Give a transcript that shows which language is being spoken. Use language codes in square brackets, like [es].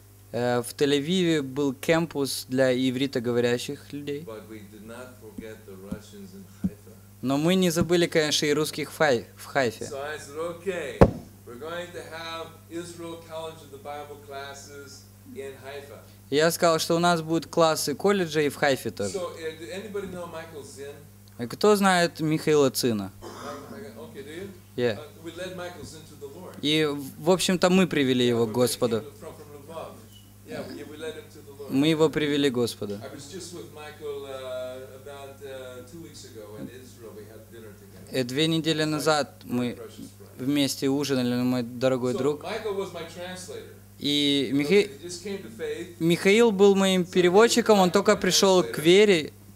[ru] В Тель-Авиве был кампус для ивритоговорящих людей. [en] But we did not forget the Russians in Haifa. [ru] Но мы не забыли, конечно, и русских в Хайфе. [en] So I said, okay, we're going to have Israel College of the Bible classes in Haifa. [ru] Я сказал, что у нас будут классы колледжа и в Хайфе тоже. [en] So, does anybody know Michael Zinn? [ru] Кто знает Михаила Цина? [en] Okay, do you? Yeah. We led Michael Zinn to the Lord. [ru] И, в общем-то, мы привели его к Господу. [en] Yeah, we led him to the Lord. [ru] Мы его привели к Господу. [en] I was just with Michael about 2 weeks ago in Israel. We had dinner together. [ru] Две недели назад мы вместе ужинали, мой дорогой друг. [en] Michael was my translator. [ru] И Михаил был моим переводчиком, он только пришел к вере.